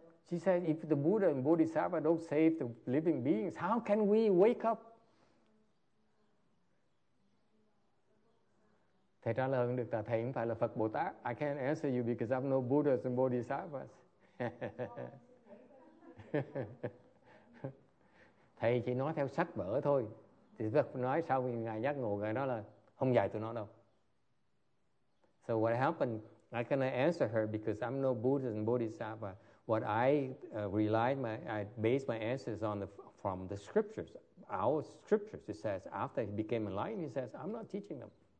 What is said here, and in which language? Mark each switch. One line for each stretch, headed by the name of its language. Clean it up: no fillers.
English: She said, if the Buddha and Bodhisattva don't save the living beings, how can we wake up?
Vietnamese: Thầy trả lời được, là thầy không phải là Phật Bồ Tát.
English: I can't answer you because I'm no Buddha and Bodhisattva.
Vietnamese: Thầy chỉ nói theo sách vở thôi. Thì Phật nói sau khi Ngài giác ngộ, Ngài nói là không dạy tụi nó đâu.
English: So what happened, I cannot answer her because I'm no Buddha and Bodhisattva. What I relied, my, I based my answers on the, from the scriptures. Our scriptures, it says, after he became enlightened, he says, I'm not teaching them.